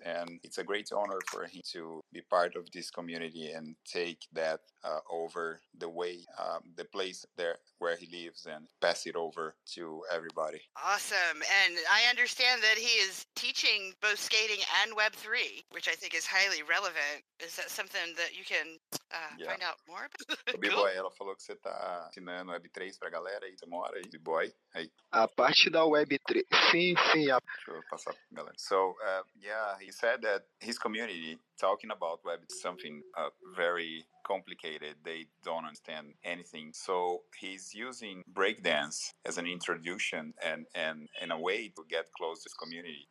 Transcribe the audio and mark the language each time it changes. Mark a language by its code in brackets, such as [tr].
[en] And it's a great honor for him to be part of this community and take that over the way, the place there where he lives, and pass it over to everybody. Awesome. And I understand that he is teaching both skating and Web3, which I think is highly relevant. Is that something that you can find out more about? [pt] O B-Boy, cool. Ela falou que você tá ensinando Web3 pra galera aí, demora aí, B-Boy. Aí. A parte da Web3, sim. Deixa eu passar pra galera. [en] So, he said that his community talking about Web is something very complicated. They don't understand anything. So he's using breakdance as an introduction and in a way to get close to this community.